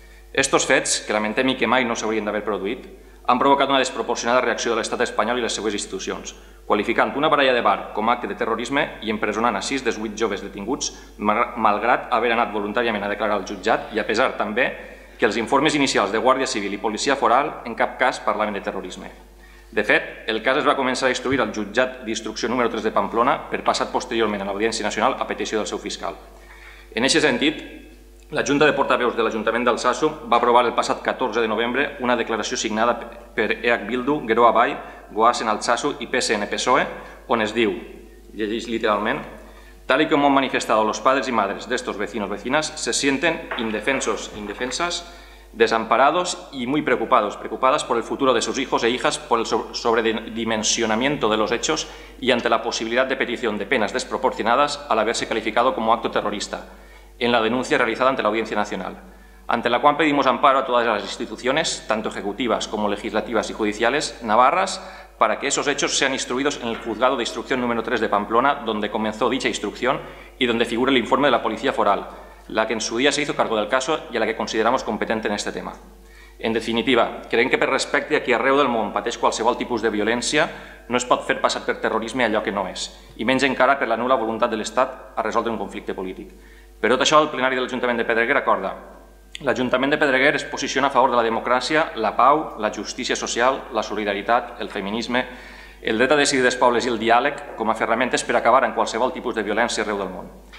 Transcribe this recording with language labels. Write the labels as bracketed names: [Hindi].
[Catalan] Estos fets, que lamentem i que mai no s'haurien d'haver produït, han provocat una desproporcionada reacció de l'Estat espanyol i les seues institucions, qualificant una baralla de bar com a acte de terrorisme i empresonant a 6 dels 8 joves detinguts, malgrat haver anat voluntàriament a declarar al jutjat i a pesar també que els informes inicials de Guàrdia Civil i Policia Foral en cap cas parlaven de terrorisme. De fet, el cas es va començar a instruir al jutjat d'instrucció número 3 de Pamplona per passat posteriorment a l'Audiència Nacional a petició del seu fiscal. En aquest sentit, la Junta de Portaveus de l'Ajuntament d'Altsasu va aprovar el passat 14 de novembre una declaració signada per EH Bildu, Gero Abai, Goazen Altsasu i PSN-PSOE, on es diu, llegeix literalment, [Spanish] tal y como han manifestado los padres y madres de estos vecinos vecinas, se sienten indefensos, indefensas, desamparados y muy preocupados, preocupadas por el futuro de sus hijos e hijas, por el sobredimensionamiento de los hechos y ante la posibilidad de petición de penas desproporcionadas al haberse calificado como acto terrorista, en la denuncia realizada ante la Audiencia Nacional, ante la cual pedimos amparo a todas las instituciones, tanto ejecutivas como legislativas y judiciales, navarras, para que esos hechos sean instruidos en el juzgado de instrucción número 3 de Pamplona, donde comenzó dicha instrucción y donde figura el informe de la Policía Foral, la que en su día se hizo cargo del caso y a la que consideramos competente en este tema. [Catalan] En definitiva, creen que per respecte a qui arreu del món pateix qualsevol tipus de violència, no es pot fer passar per terrorisme allò que no és, i menys encara per la nula voluntat de l'Estat a resoldre un conflicte polític. Per tot això, el plenari de l'Ajuntament de Pedreguer acorda: l'Ajuntament de Pedreguer es posiciona a favor de la democràcia, la pau, la justícia social, la solidaritat, el feminisme, el dret a decidir dels pobles i el diàleg com a ferramentes per acabar amb qualsevol tipus de violència arreu del món.